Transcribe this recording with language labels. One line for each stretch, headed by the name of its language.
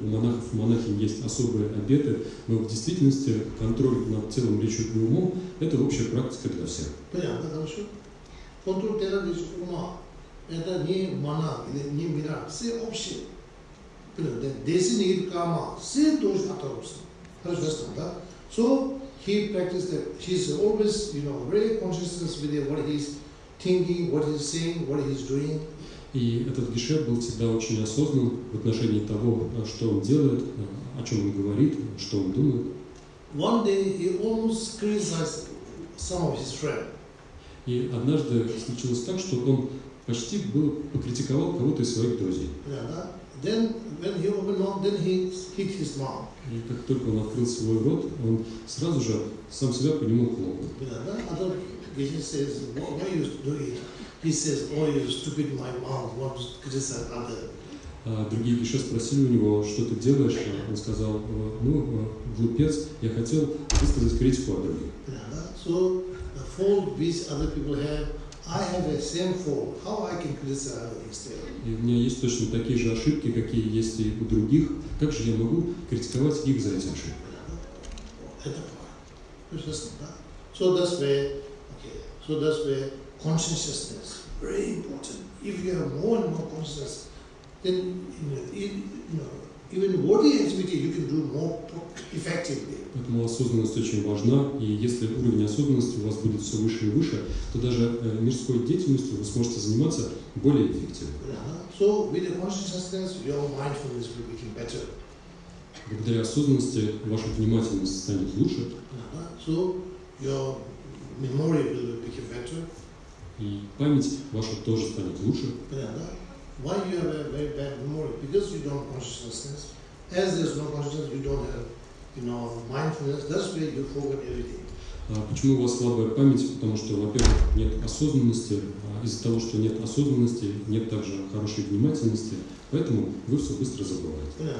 Russian: У монахов и монахинь есть особые обеты, но в действительности контроль над телом, речью и умом – это общая практика для всех. Понятно, хорошо. Контроль тела, речью и ума – это не монах, не мира, все общие. Понятно, десин и карма, все должны оторваться. Хорошо, да?
English: So, he practiced that. He's always, very conscious with what he's thinking, what he's saying, what he's doing.
Russian: И этот гише был всегда очень осознан в отношении того, что он делает, о чем он говорит, что он думает.
English: One day he almost criticized some of his friend.
Russian: И однажды случилось так, что он почти покритиковал кого-то из своих друзей.
English: Then when he opened up, then he hit his mouth.
Russian: И как только он открыл свой рот, он сразу же сам себя по нему хлопнул.
English: He says, "What are you doing?" He says, "Oh, you stupid, my mom wants to criticize other."
Russian: Другие еще спросили у него, что ты делаешь, он сказал, ну, глупец, я хотел высказать критику о других.
English: So, the fault which other people have, I have the same fault, how I can criticize others?
Russian: И у меня есть точно такие же ошибки, какие есть и у других, как же я могу критиковать их за эти ошибки? Это правильно.
English: So, that's where, okay, so that's where consciousness, very important. If you have more and more consciousness, then even body activity you can do more effectively.
Russian: Поэтому осознанность очень важна, и если уровень осознанности у вас будет все выше и выше, то даже мирской деятельностью вы сможете заниматься более эффективно.
English: So with the consciousness, your mindfulness will become better.
Russian: Благодаря осознанности ваша внимательность станет лучше.
English: So your memory will become better.
Russian: И память ваша тоже станет лучше.
English: Why you have a very bad memory? Because you don't consciousness. As there's no consciousness, you don't have, you know, mindfulness. That's why you forget everything.
Russian: Почему у вас слабая память? Потому что, во-первых, нет осознанности. Из-за того, что нет осознанности, нет также хорошей внимательности. Поэтому вы все быстро забываете.